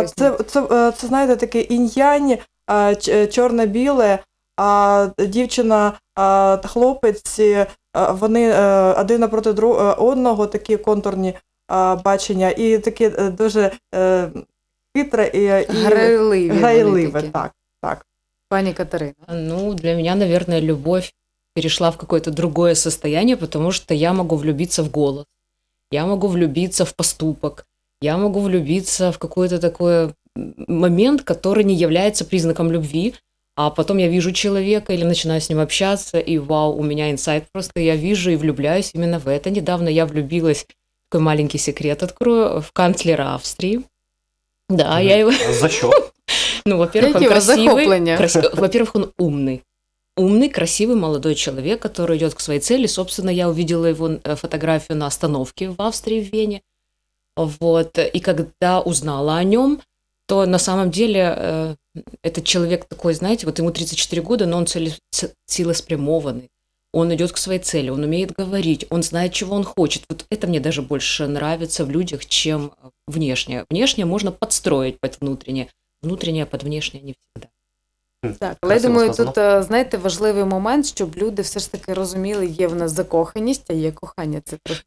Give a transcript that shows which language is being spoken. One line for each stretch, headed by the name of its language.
Ukrainian: Це знаєте, таке інь-янь, чорне-біле, а дівчина, хлопець, вони один напроти одного, такі контурні бачення, і таке дуже хитре і грайливе, так. Пані Катерина.
Russian: Ну, для меня, наверное, любовь перешла в какое-то другое состояние, потому что я могу влюбиться в голос, я могу влюбиться в поступок, я могу влюбиться в какой-то такой момент, который не является признаком любви, а потом я вижу человека или начинаю с ним общаться, и вау, у меня инсайт просто, я вижу и влюбляюсь именно в это. Недавно я влюбилась, такой маленький секрет открою, в канцлера Австрии. Да, я его... За счет? Ну, во-первых, во-первых, он умный, красивый молодой человек, который идет к своей цели. Собственно, я увидела его фотографию на остановке в Австрии, в Вене. Вот. И когда узнала о нем, то на самом деле этот человек такой, знаете, вот ему 34 года, но он целеспрямованный. Он идет к своей цели, он умеет говорить, он знает, чего он хочет. Вот это мне даже больше нравится в людях, чем внешнее. Внешнее можно подстроить под внутреннее.
Ukrainian: Внутрішнє під
Russian: внешнє не всегда.
Ukrainian: Так, але я думаю, сказано. Тут, знаєте, важливий момент, щоб люди все ж таки розуміли, є в нас закоханість, а є кохання, це трохи